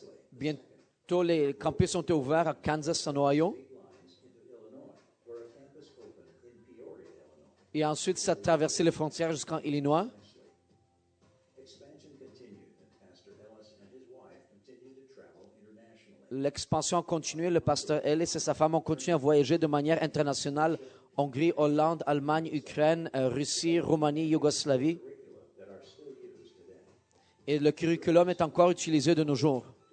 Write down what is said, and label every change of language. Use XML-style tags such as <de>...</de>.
<fr>Bientôt, les campus ont été ouverts à Kansas, en Ohio. Et ensuite, ça a traversé les frontières jusqu'en Illinois.</fr> <en>Expansion continued, and Pastor Ellis and his wife continued to travel internationally.</en> <fr>l'expansion a continué. Le pasteur Ellis et sa femme ont continué à voyager de manière internationale. Hongrie, Hollande, Allemagne, Ukraine, Russie, Roumanie, Yougoslavie. Et le curriculum est encore utilisé de nos jours.</fr>